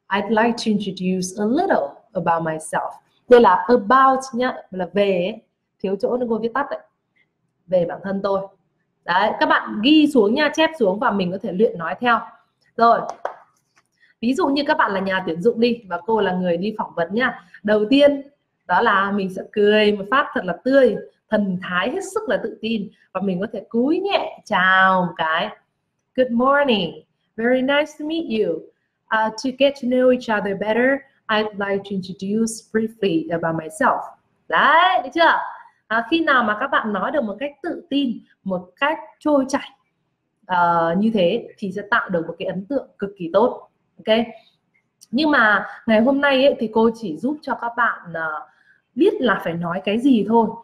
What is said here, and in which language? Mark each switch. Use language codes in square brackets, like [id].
[en] I'd like to introduce a little about myself. [vi] Đây là about nhá, là về, thiếu chỗ nên cô viết tắt đấy. Về bản thân tôi. Đấy, các bạn ghi xuống nha, chép xuống và mình có thể luyện nói theo. Rồi. Ví dụ như các bạn là nhà tuyển dụng đi và cô là người đi phỏng vấn nha. Đầu tiên đó là mình sẽ cười một phát thật là tươi, thần thái hết sức là tự tin, và mình có thể cúi nhẹ chào một cái. [en] Good morning. Very nice to meet you. To get to know each other better, I'd like to introduce briefly about myself. [vi] Đấy, được chưa? Khi nào mà các bạn nói được một cách tự tin, một cách trôi chảy như thế thì sẽ tạo được một cái ấn tượng cực kỳ tốt. Ok. Nhưng mà ngày hôm nay ấy, thì cô chỉ giúp cho các bạn biết là phải nói cái gì thôi.